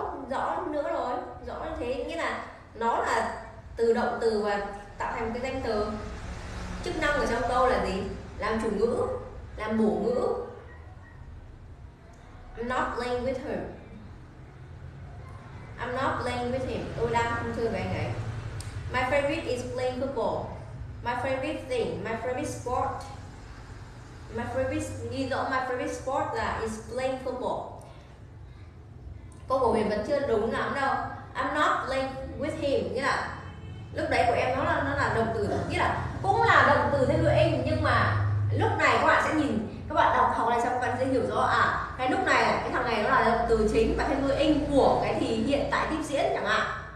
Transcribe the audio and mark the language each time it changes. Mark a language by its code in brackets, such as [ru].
[vi] Rõ nữa rồi, rõ như thế. Nghĩa là nó là từ động từ và tạo thành một cái danh từ. Chức năng của trong câu là gì? Làm chủ ngữ, làm bổ ngữ. [en] I'm not playing with her. I'm not playing with him. [vi] Tôi đang không chơi với anh ấy. [en] My favorite is playing football. My favorite thing, my favorite sport. My favorite, you know, my favorite sport is playing football. [vi] Câu của mình vẫn chưa đúng lắm đâu. [en] I'm not playing with him. [vi] Nghĩa là lúc đấy của em nó là động từ. Nghĩa là cũng là động từ thêm ngữ ing, nhưng mà lúc này các bạn sẽ nhìn, các bạn đọc học này xong các bạn sẽ hiểu rõ cái lúc này cái thằng này nó là động từ chính và thêm ngữ ing của cái thì hiện tại tiếp diễn chẳng hạn.